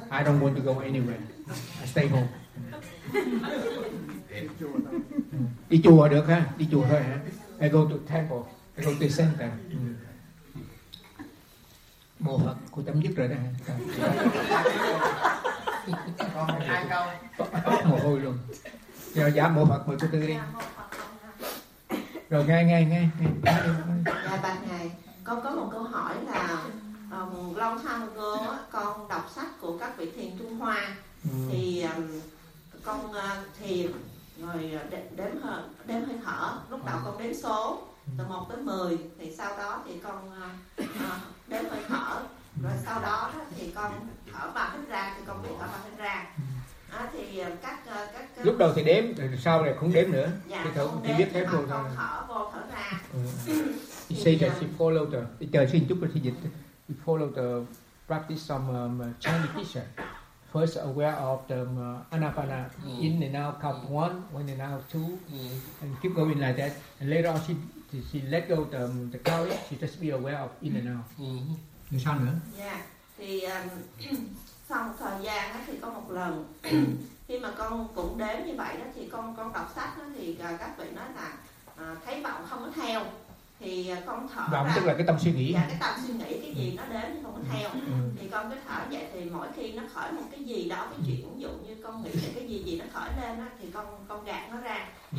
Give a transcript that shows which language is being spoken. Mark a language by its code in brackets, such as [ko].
[en] I don't want to go anywhere. I stay home. [vi] Đi chùa được ha? Đi chùa thôi hả? [en] I go to temple. I go to the center. [vi] Mô Phật, cô chấm dứt rồi đó hả? Con mồ hôi luôn. Giờ dạ mồ Phật mời cô tư đi. Rồi nghe. Dạ ba ngày. Con có một câu hỏi là [en] long time ago [vi] con đọc sách của các vị thiền Trung Hoa. Thì con thiền rồi đếm hơi thở. Lúc đầu con đếm số từ 1 tới 10. Thì sau đó thì con đếm hơi thở. Rồi sau đó thì con thở vào hít ra, thì con biết thở vào hít ra. À, thì các lúc đầu thì đếm, sau này cũng đếm nữa. Dạ, thì thở, biết thế rồi thôi. Thở vô thở ra. Ừ. [en] Say that she follow the, [vi] chờ xin chút thì dịch. [en] You follow the practice some Chinese teacher. First aware of the anapana, in and out count one and out two, and keep going like that. And later on she let go the carry, she just be aware of in and out. [vi] Thì sao nữa? Dạ, thì sau một thời gian đó thì có một lần khi mà con cũng đếm như vậy đó, thì con đọc sách đó thì các vị nói là thấy vọng không có theo, thì con thở vọng ra, tức là cái tâm suy nghĩ. Dạ, cái tâm suy nghĩ cái gì nó đến thì không có theo. Thì con cứ thở vậy, thì mỗi khi nó khởi một cái gì đó, cái chuyện ví dụ như con nghĩ về cái gì nó khởi lên đó, thì con gạt nó ra.